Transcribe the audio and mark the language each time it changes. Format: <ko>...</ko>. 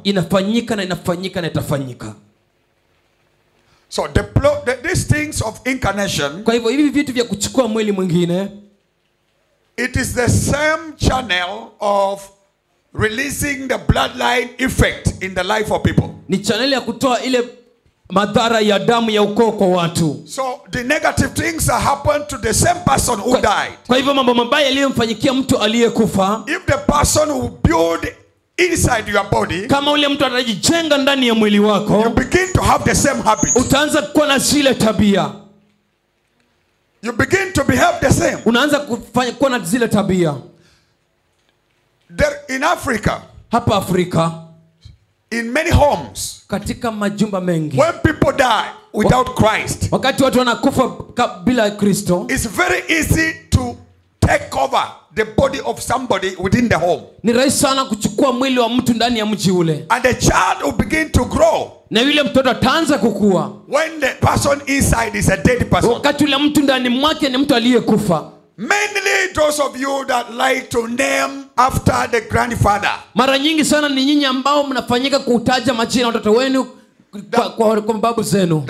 <sw>Inafanyika na inafanyika na itafanyika.</sw> <en>So these things of incarnation,</en> <sw>kwa hivyo hivi vitu vya kuchukua mwili mwingine,</sw> <en>it is the same channel of releasing the bloodline effect in the life of people.</en> <sw>Ni channel ya kutoa ile madhara ya damu ya ukoo kwa watu.</sw> <en>So the negative things that happen to the same person who died.</en> <sw>Kwa hivyo mambo mabaya yaliyomfanyikia mtu aliyekufa.</sw> <en>If the person who built inside your body,</en> <sw>kama ule mtu anajijenga ndani ya mwili wako,</sw> <en>you begin to have the same habits.</en> <sw>Utaanza kuwa na zile tabia.</sw> <en>You begin to behave the same.</en> <sw>Unaanza kuwa na zile tabia.</sw> <en>There in Africa,</en> <sw>hapa Afrika,</sw> <en>in many homes,</en> <sw>katika majumba mengi,</sw> <en>when people die without Christ,</en> <sw>wakati watu wanakufa bila Kristo,</sw> <en>it's very easy to take over the body of somebody within the home.</en> <sw>Ni rahisi sana kuchukua mwili wa mtu ndani ya mji ule.</sw> <en>And the child will begin to grow.</en> <sw>Na yule mtoto ataanza kukua.</sw> <en>When the person inside is a dead person.</en> <sw>Wakati ule mtu ndani mwake ni mtu aliyekufa.</sw> <en>Mainly those of you that like to name after the grandfather.</en> <sw>Mara nyingi sana ni nyinyi ambao mnafanyika kutaja majina watoto wenu kwa babu zenu.</sw>